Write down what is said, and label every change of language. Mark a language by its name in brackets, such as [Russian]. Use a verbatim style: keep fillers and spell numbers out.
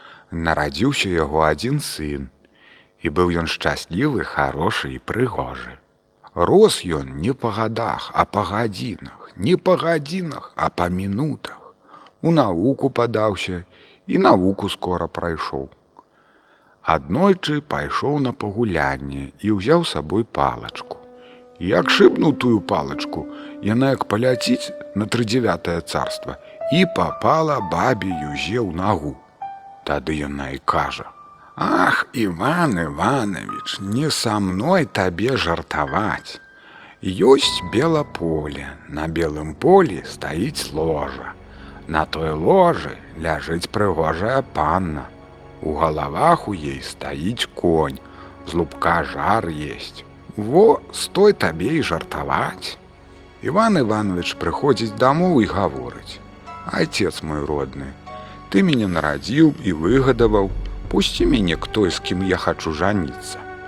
[Russian] Народился его один сын, и был он счастливый, хороший и пригожий. Рос он не по годах, а по годинах, не по годинах, а по минутах. У науку подался, и науку скоро пройшел. [Belarusian] Аднойчы пайшоў на пагулянне і ўзяў з сабой палачку. Як шыбнуў тую палачку, яна як паляціць на трыдзевятае царства, і папала бабе юзе ў нагу. Тады яна і кажа: «Ах, Иван Иванович, [Russian] не со мной [Belarusian] табе жартаваць. Ёсць бела поле, на белым полі стаіць ложа. На той ложы ляжыць прыгожая панна. [Russian] У головах у ей стоит конь, с лубка жар есть. Во, стой табе и жартовать». Иван Иванович приходит домой и говорит: «Отец мой родный, ты меня народил и выгодовал, пусти меня к той, с кем я хочу жаниться.